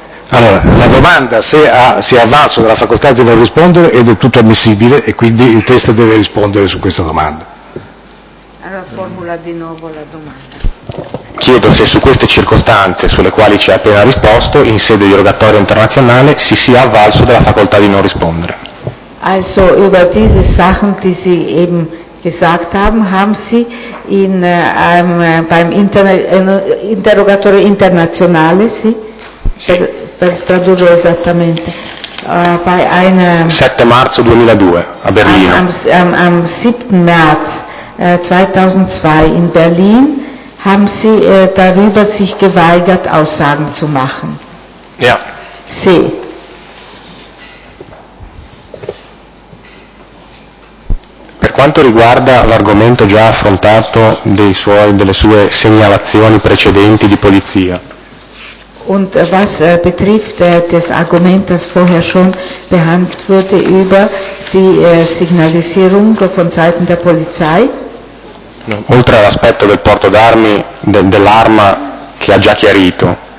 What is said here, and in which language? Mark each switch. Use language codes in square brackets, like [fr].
[it] Allora, la domanda se si è avvalso della facoltà di non rispondere è del tutto ammissibile e quindi il test deve rispondere su questa domanda. Allora formula di nuovo la domanda. Chiedo se su queste circostanze sulle quali ci ha appena risposto, in sede di rogatorio internazionale, si sia avvalso della facoltà di non rispondere. [de] Also über diese Sachen, die Sie eben gesagt haben, haben Sie in beim [it] interrogatorio internazionale, sì? Per tradurlo esattamente, [de] bei einer [it] 7 marzo 2002 a Berlino. [de] Am 7. März 2002 in Berlin haben Sie darüber sich geweigert, Aussagen zu machen. Ja. [it] Sì. Per quanto riguarda l'argomento già affrontato delle sue segnalazioni precedenti di polizia. [de] Und was betrifft das Argument, das vorher schon behandelt wurde, über die Signalisierung von Seiten der Polizei? [it] Oltre all'aspetto del porto d'armi, dell'arma che ha già chiarito.